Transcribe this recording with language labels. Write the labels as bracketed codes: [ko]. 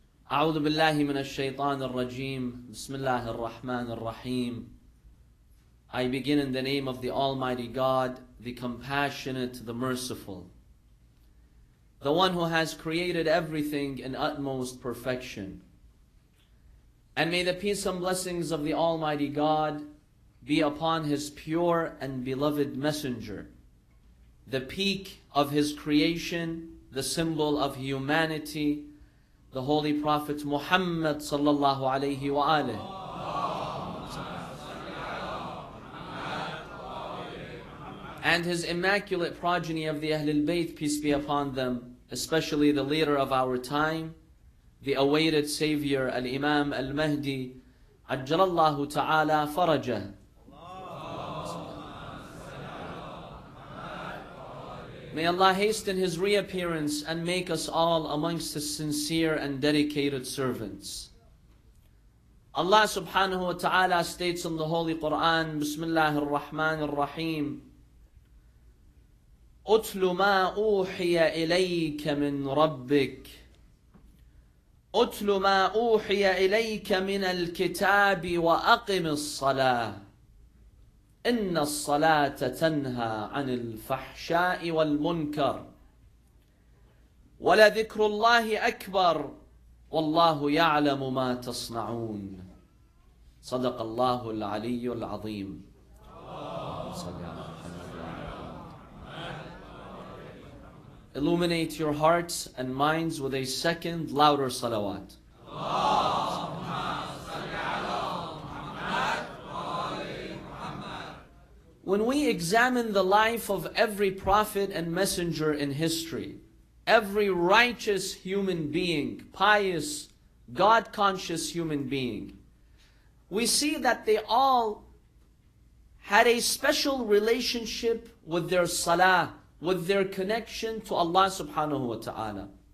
[ar] أعوذ بالله من الشيطان الرجيم بسم الله الرحمن الرحيم. [en] I begin in the name of the Almighty God, the Compassionate, the Merciful, the one who has created everything in utmost perfection. And may the peace and blessings of the Almighty God be upon His pure and beloved Messenger, the peak of His creation, the symbol of humanity, the Holy Prophet Muhammad sallallahu alayhi wa alayhi. And his immaculate progeny of the Ahlul Bayt, peace be upon them, especially the leader of our time, the awaited Savior, Al-Imam Al-Mahdi, ajjalallahu ta'ala farajah. May Allah hasten His reappearance and make us all amongst His sincere and dedicated servants. Allah subhanahu wa ta'ala states in the Holy Quran, Bismillah ar-Rahman ar-Rahim, [ar] أُتْلُ مَا أُوحِيَ إِلَيْكَ مِنْ رَبِّكَ أُتْلُ مَا أُوحِيَ إِلَيْكَ مِنَ الْكِتَابِ وَأَقِمِ الصَّلَاةِ إِنَّ الصَّلَاةَ تَنْهَى عَنِ الْفَحْشَاءِ وَالْمُنْكَرِ وَلَذِكْرُ اللَّهِ أَكْبَرُ وَاللَّهُ يَعْلَمُ مَا تَصْنَعُونَ صدق الله العلي العظيم. [en] Illuminate your hearts and minds with a second louder salawat. When we examine the life of every prophet and messenger in history, every righteous human being, pious, God-conscious human being, we see that they all had a special relationship with their salah, with their connection to Allah subhanahu wa ta'ala.